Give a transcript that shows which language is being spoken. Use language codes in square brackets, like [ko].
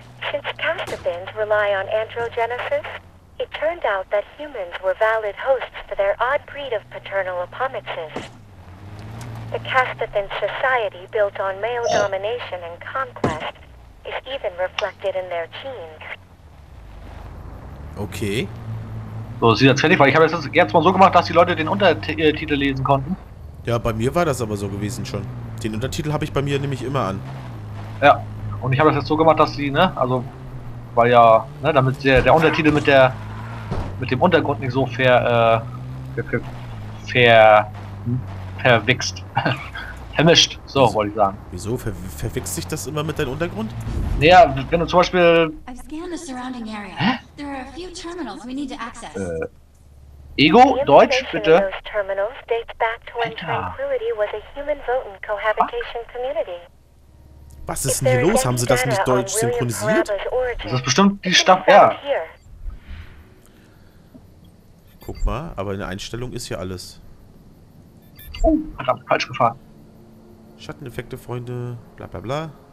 [en] Since Castathans rely on androgenesis, it turned out that humans were valid hosts for their odd breed of paternal appomixes. The Castathan society, built on male domination and conquest, is even reflected in their genes. Okay. [de] So, sieht jetzt fertig, weil ich habe das jetzt mal so gemacht, dass die Leute den Untertitel lesen konnten. Ja, bei mir war das aber so gewesen schon. Den Untertitel habe ich bei mir nämlich immer an. Ja, und ich habe das jetzt so gemacht, dass sie, ne, also, weil ja, ne, damit der Untertitel mit dem Untergrund nicht so verwichst. Vermischt, so wollte ich sagen. Wieso? Verwichst sich das immer mit deinem Untergrund? Naja, wenn du zum Beispiel. [en] I've scanned the surrounding area. There are a few terminals we need to access. [de] Ego, Deutsch, bitte. [en] Those terminals date back to when Tranquility was a human voting cohabitation community. [de] Was ist denn hier los? Haben sie das nicht deutsch synchronisiert? Das ist bestimmt die Staffel. Ja. Guck mal, aber in der Einstellung ist hier alles. Oh, verdammt, falsch gefahren. Schatteneffekte, Freunde, bla bla bla.